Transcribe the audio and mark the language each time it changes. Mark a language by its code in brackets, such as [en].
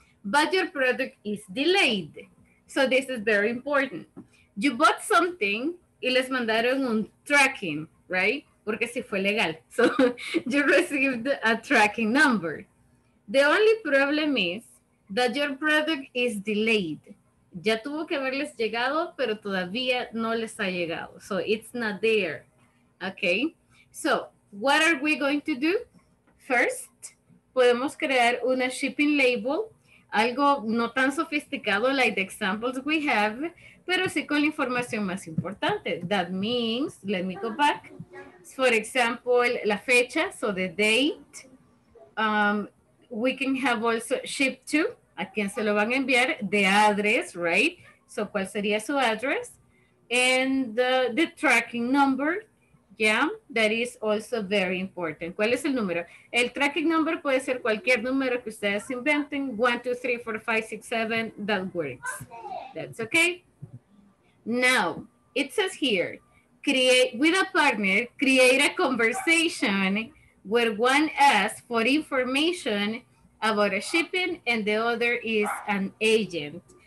[en] But your product is delayed. So this is very important. You bought something [es] y les mandaron un tracking, right? Porque sí fue legal. [en] So you received a tracking number. The only problem is that your product is delayed. [es] Ya tuvo que haberles llegado, pero todavía no les ha llegado. [en] So it's not there, okay? So what are we going to do? [es] First, podemos crear una shipping label, algo no tan sofisticado [en] like the examples we have, [es] pero sí con la información más importante. [en] That means, let me go back. For example, [es] la fecha, [en] so the date. We can have also ship to, [es] a quien se lo van a enviar, [en] the address, right? [es] So, ¿cuál sería su address? [en] And the tracking number, yeah, that is also very important. [es] ¿Cuál es el número? El tracking number puede ser cualquier número que ustedes inventen. [en] 1, 2, 3, 4, 5, 6, 7, that works. That's okay. Now, it says here, create with a partner, create a conversation where one asks for information about a shipping and the other is an agent.